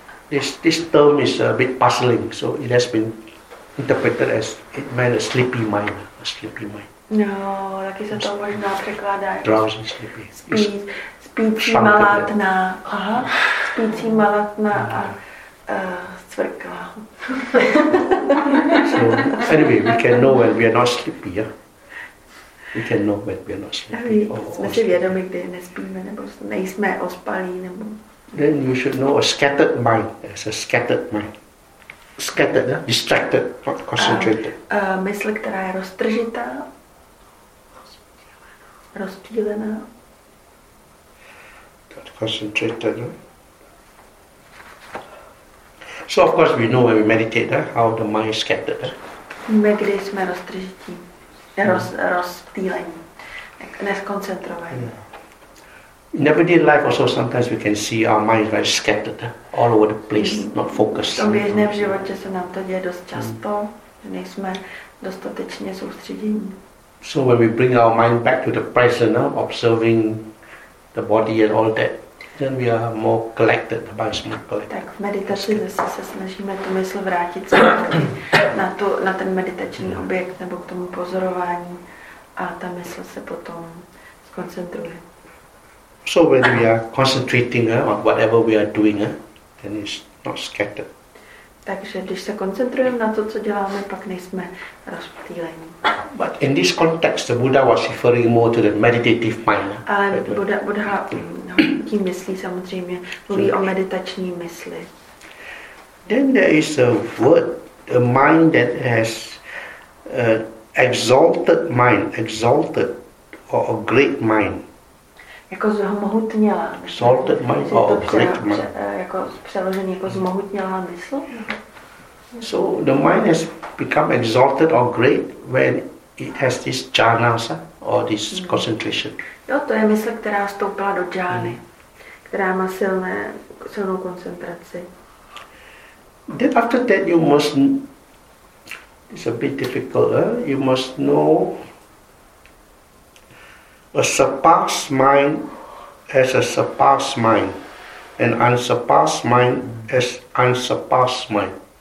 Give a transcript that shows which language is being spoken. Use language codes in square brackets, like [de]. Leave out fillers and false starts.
[en] this term is a bit puzzling, so it has been interpreted as it meant a sleepy mind. [cs] No, taky se to možná překládá. [en] Drowsy, sleepy. [cs] Spící malatná a cvrklá. [en] So anyway, we can know when we are not sleepy, yeah? We can know when we are not sleepy. [cs] Jsme si vědomi, kdy nespíme, nebo nejsme ospalí, nebo... [en] Then you should know a scattered mind. It's a scattered mind. Scattered, yeah? Distracted, not concentrated. [cs] A mysl, která je roztržitá, rozptýlená. [en] Not concentrated, no? So of course we know when we meditate, how the mind is scattered. [cs] Víme, kdy jsme roztržití, rozptýlení, neskoncentrovaní. [en] In everyday life also sometimes we can see our mind is very scattered, all over the place, not focused. [cs] V tom běžném životě se nám to děje dost často, že nejsme dostatečně soustředění. [en] So when we bring our mind back to the present, observing the body and all that, then we are more collected, the mind is more collected. [cs] Tak v meditaci zase se snažíme tu mysl vrátit zpátky na ten meditační objekt nebo k tomu pozorování a ta mysl se potom skoncentruje. [en] So when we are concentrating on whatever we are doing, then it's not scattered. [cs] Takže když se koncentrujeme na to, co děláme, pak nejsme rozptýlení. [en] But in this context, the Buddha was referring more to the meditative mind. [cs] Ale Buddha tím myslí samozřejmě, mluví o meditační mysli. [en] Then there is a word, a mind that has exalted mind, exalted or a great mind. [cs] Jako zmohutnělá [en] mysl. Exalted mind or a great mind. [cs] Jako přeložený jako zmohutnělá mysl. [en] So the mind has become exalted or great when it has this jhanas or this concentration. [cs] Jo, to je mysl, která vstoupila do džány, která má silnou koncentraci. [en] Then after that you must, it's a bit difficult, you must know a surpassed mind as a surpassed mind, an unsurpassed mind as unsurpassed mind.